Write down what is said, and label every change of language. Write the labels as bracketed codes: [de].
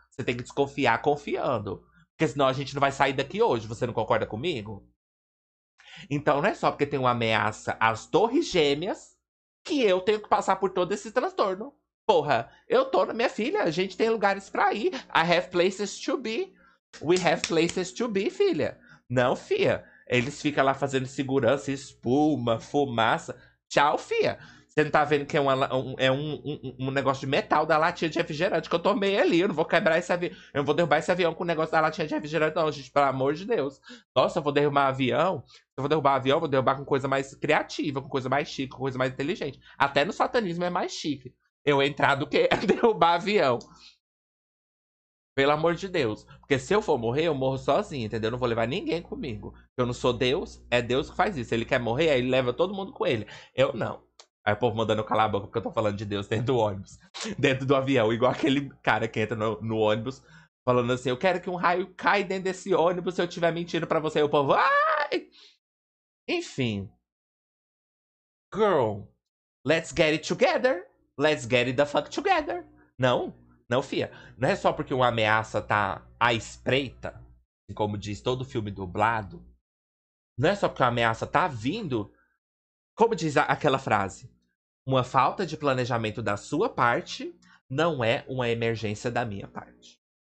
[pt] Você tem que desconfiar confiando, porque senão a gente não vai sair daqui hoje, você não concorda comigo? Então, não é só porque tem uma ameaça às Torres Gêmeas que eu tenho que passar por todo esse transtorno. Porra, eu tô na minha filha, a gente tem lugares pra ir. [en] I have places to be. We have places to be, filha. [pt] Não, fia. Eles ficam lá fazendo segurança, espuma, fumaça. Tchau, fia. Você não tá vendo que é um negócio de metal da latinha de refrigerante que eu tomei ali. Eu não vou quebrar esse avião. Eu não vou derrubar esse avião com o negócio da latinha de refrigerante, não, gente. Pelo amor de Deus. Nossa, eu vou derrubar avião. Eu vou derrubar avião, vou derrubar com coisa mais criativa, com coisa mais chique, com coisa mais inteligente. Até no satanismo é mais chique. Eu entrar do que derrubar avião. Pelo amor de Deus. Porque se eu for morrer, eu morro sozinho, entendeu? Eu não vou levar ninguém comigo. Eu não sou Deus, é Deus que faz isso. Ele quer morrer, aí ele leva todo mundo com ele. Eu não. Aí o povo mandando eu calar a boca porque eu tô falando de Deus dentro do ônibus. Dentro do avião, igual aquele cara que entra no ônibus falando assim: eu quero que um raio caia dentro desse ônibus se eu estiver mentindo pra você. E o povo, ai! Enfim. [en] Girl, let's get it together. Let's get it the fuck together. [pt] Não, não, fia. Não é só porque uma ameaça tá à espreita, como diz todo filme dublado. Não é só porque uma ameaça tá vindo, como diz aquela frase. Uma falta de planejamento da sua parte não é uma emergência da minha parte.